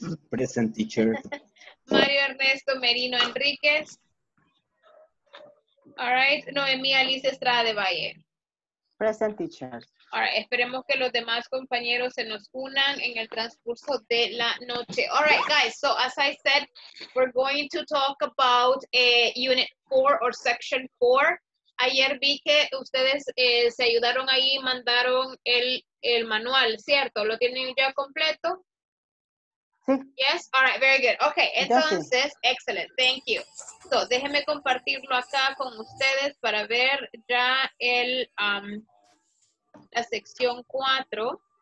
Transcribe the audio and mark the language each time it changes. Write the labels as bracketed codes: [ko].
[en] Present, teacher. Mario Ernesto Merino Enríquez. All right. Noemí Alice Estrada de Valle. Present, teacher. All right. [es] Esperemos que los demás compañeros se nos unan en el transcurso de la noche. [en] All right, guys. So, as I said, we're going to talk about Unit 4 or Section 4. [es] Ayer vi que ustedes se ayudaron ahí y mandaron el manual, ¿cierto? ¿Lo tienen ya completo? Sí. [en] Yes. All right, very good. Okay, [es] entonces, sí. [en] Excellent. Thank you. [es] So, déjenme compartirlo acá con ustedes para ver ya el la sección 4.